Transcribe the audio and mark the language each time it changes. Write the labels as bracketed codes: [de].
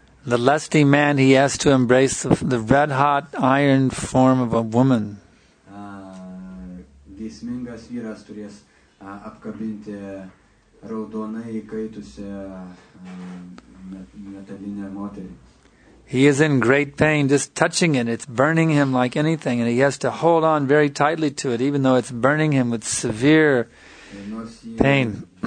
[en] The lusty man, he has to embrace the red-hot iron form of a woman. [lt] Geismingas vyras turės apkabinti raudonai įkaitusią metalinę moterį. [en] He is in great pain just touching it. It's burning him like anything, and he has to hold on very tightly to it, even though it's burning him with severe pain.